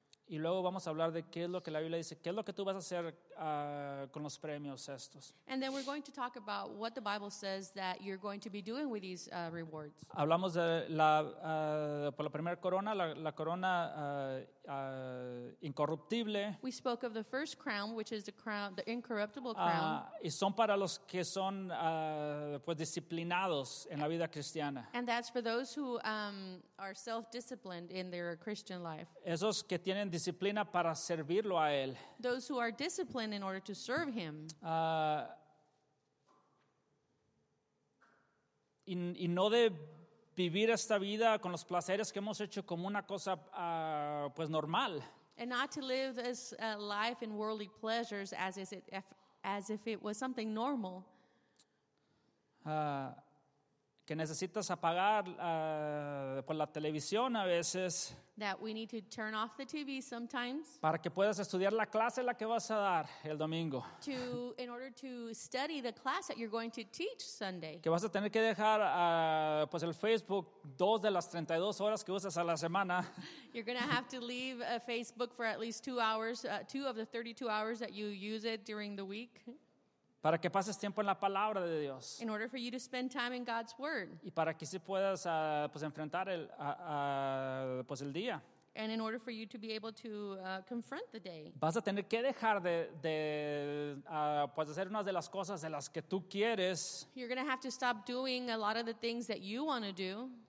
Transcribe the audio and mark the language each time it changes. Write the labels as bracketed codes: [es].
[es] Y luego vamos a hablar de qué es lo que la Biblia dice, qué es lo que tú vas a hacer con los premios estos. [en] And then we're going to talk about what the Bible says that you're going to be doing with these rewards. [es] Hablamos de la primera corona, la corona incorruptible. [en] We spoke of the first crown, which is the crown, the incorruptible crown. [es] Y son para los que son pues disciplinados en la vida cristiana. [en] And that's for those who are self-disciplined in their Christian life. [es] Esos que tienen disciplina para servirlo a él. [en] Those who are disciplined in order to serve him. [es] Y no de vivir esta vida con los placeres que hemos hecho como una cosa pues normal. [en] And not to live this life in worldly pleasures as if it was something normal. [es] que necesitas apagar por la televisión a veces. [en] That we need to turn off the TV sometimes. [es] Para que puedas estudiar la clase la que vas a dar el domingo. [en] To, in order to study the class that you're going to teach Sunday. [es] Que vas a tener que dejar pues el Facebook dos de las 32 horas que usas a la semana. [en] You're going to have to leave a Facebook for at least 2 hours, two of the 32 hours that you use it during the week. [es] Para que pases tiempo en la palabra de Dios. [en] In order for you to spend time in God's word. [es] Y para que sí puedas pues enfrentar el pues el día. [en] And in order for you to be able to confront the day. [es] Vas a tener que dejar de pues hacer unas de las cosas de las que tú quieres. [en] You're going to have to stop doing a lot of the things that you want to do.